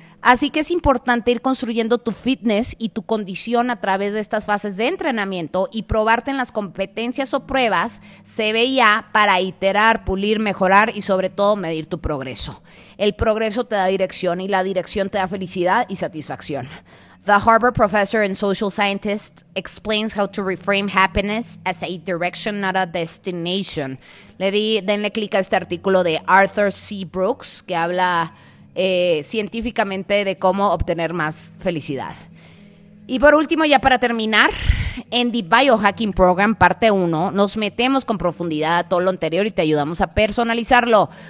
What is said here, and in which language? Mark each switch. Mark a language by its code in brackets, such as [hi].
[es] Así que es importante ir construyendo tu fitness y tu condición a través de estas fases de entrenamiento y probarte en las competencias o pruebas CBIA para iterar, pulir, mejorar y sobre todo medir tu progreso. El progreso te da dirección y la dirección te da felicidad y satisfacción. [en] The Harvard professor and social scientist explains how to reframe happiness as a direction, not a destination. [es] Denle clic a este artículo de Arthur C. Brooks, que habla científicamente de cómo obtener más felicidad. Y por último, ya para terminar, en The Biohacking Program, parte 1, nos metemos con profundidad a todo lo anterior y te ayudamos a personalizarlo.